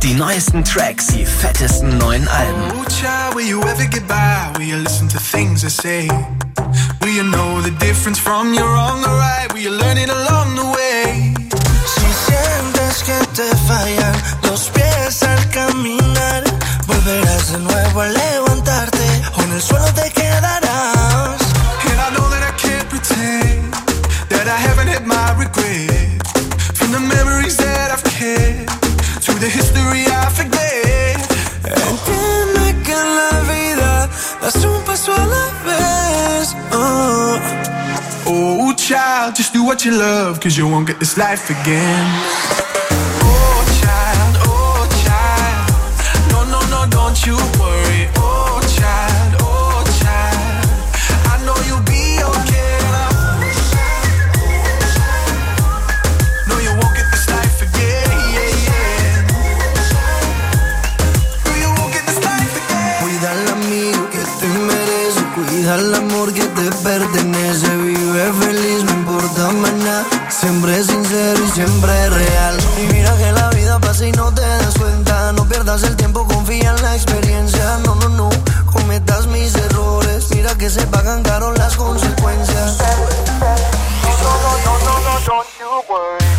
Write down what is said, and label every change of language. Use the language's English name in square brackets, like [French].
[German] Die neuesten Tracks, die fettesten neuen Alben. [English] Oh child, will you ever get by? Will you listen to things I say? Will you know the difference from your wrong or right? Will you learn it along the way? [Spanish] Si sientes que te fallan los pies al caminar, volverás de nuevo a levantarte o en el suelo te quedarás. [English] And I know that I can't pretend that I haven't had my regrets. From the memories that I've kept to the history I forget. [Spanish] Entiende que en la vida das un paso a la vez. [English] Oh, child, just do what you love, 'cause you won't get this life again. Oh, child, no, no, no, don't you worry. Oh, child, I know you'll be okay. Oh, child, oh, child, no, you won't get this life again. Yeah, yeah. No, you won't get this life again. [Spanish] Cuida el amigo que te merece, cuida el amor que te pertenece. Feliz, no importa mañana. Siempre sincero y siempre real. Y mira que la vida pasa y no te das cuenta. No pierdas el tiempo, confía en la experiencia. No, no, no, cometas mis errores. Mira que se pagan caro las consecuencias. [English] No, no, no, no, no, don't you worry.